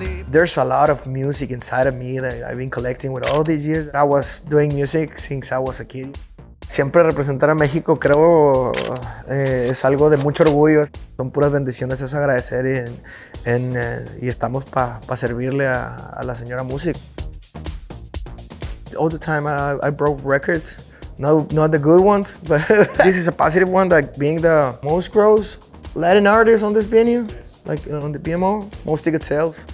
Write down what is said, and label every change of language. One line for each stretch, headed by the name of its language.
English: There's a lot of music inside of me that I've been collecting with all these years. I was doing music since I was a kid.
Spanish: Siempre representar a México, creo, es algo de mucho orgullo. Son puras bendiciones, es agradecer y estamos para servirle a la señora música.
English: All the time I broke records, not the good ones, but this is a positive one, like being the most gross Latin artist on this venue, like on the BMO, most ticket sales.